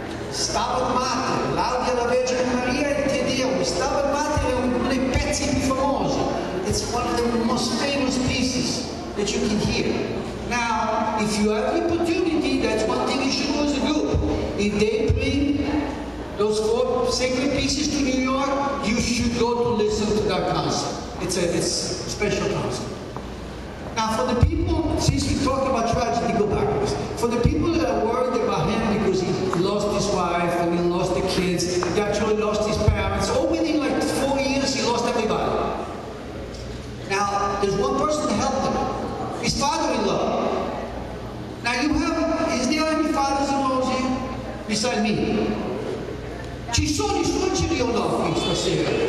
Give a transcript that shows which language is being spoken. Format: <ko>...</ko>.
<it>Stavo Mater, l'Audio della Vergine Maria e il Te Deum. Stavo Mater è uno dei pezzi più famosi.</it> <en>It's one of the most famous pieces that you can hear. Now, if you have the opportunity, that's one thing you should do as a group. If they bring those 4 sacred pieces to New York, you should go to listen to that concert. It's a special concert. Now, for the people, since we talked about tragedy, go backwards. For the people that are worried about him because he lost his wife and he lost the kids, he actually lost his parents, all within like 4 years, he lost everybody. Now, there's one person to help him. His father-in-law. Now, is there any father-in-law here beside me?</en> <it>Ci sono I suoceri o no qui stasera?</it>